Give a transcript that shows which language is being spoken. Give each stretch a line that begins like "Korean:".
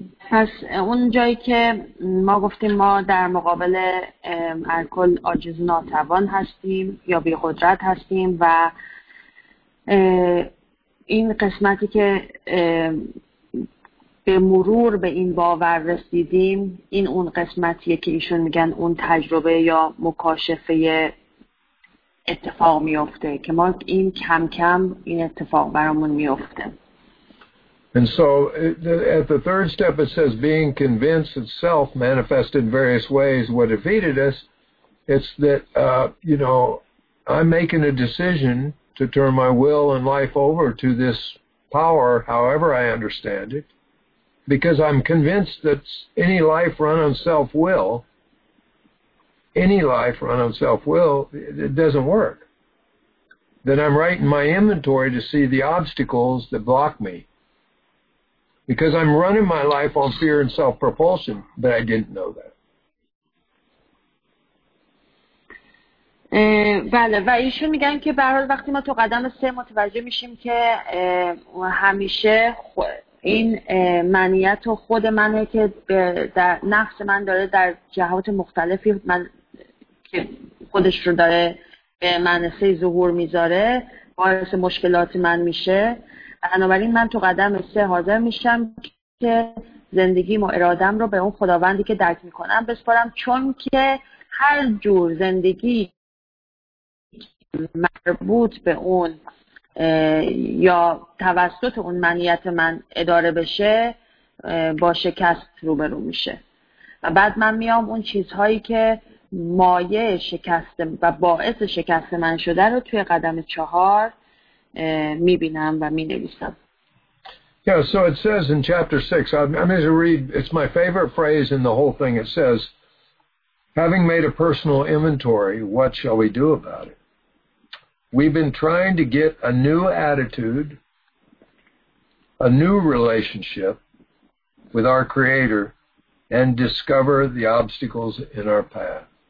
Persian: پس اون جایی که ما گفتیم ما در مقابل الکل عاجز ناتوان هستیم یا بی قدرت هستیم و این قسمتی که به مرور به این باور رسیدیم این اون قسمتیه که ایشون میگن اون تجربه یا مکاشفه اتفاق میفته که ما این کم کم این اتفاق برامون میفته.
English: And so at the third step it says being convinced itself manifested in various ways what defeated us. It's that, you know, I'm making a decision to turn my will and life over to this power, however I understand it, because I'm convinced that any life run on self-will, it doesn't work. Then I'm writing my inventory to see the obstacles that block me. Because I'm running my life on fear and self-propulsion, but I didn't know that.
Persian: بله و ایشون میگن که به هر حال وقتی ما تو قدم سه متوجه میشیم که همیشه این منیت و خود منه که در نفس من داره در جهات مختلفی من که خودش رو داره به منصه ظهور میذاره باعث مشکلات من میشه. بنابراین من تو قدم سه حاضر میشم که زندگیم و ارادم رو به اون خداوندی که درک میکنم بسپارم چون که هر جور زندگی مربوط به اون یا توسط اون منیت من اداره بشه با شکست روبرو میشه و بعد من میام اون چیزهایی که مایه شکست و باعث شکست من شده رو توی قدم چهار
English: Yeah, so it says in chapter 6, I'm going to read, it's my favorite phrase in the whole thing. It says, having made a personal inventory, what shall we do about it? We've been trying to get a new attitude, a new relationship with our Creator, and discover the obstacles in our path.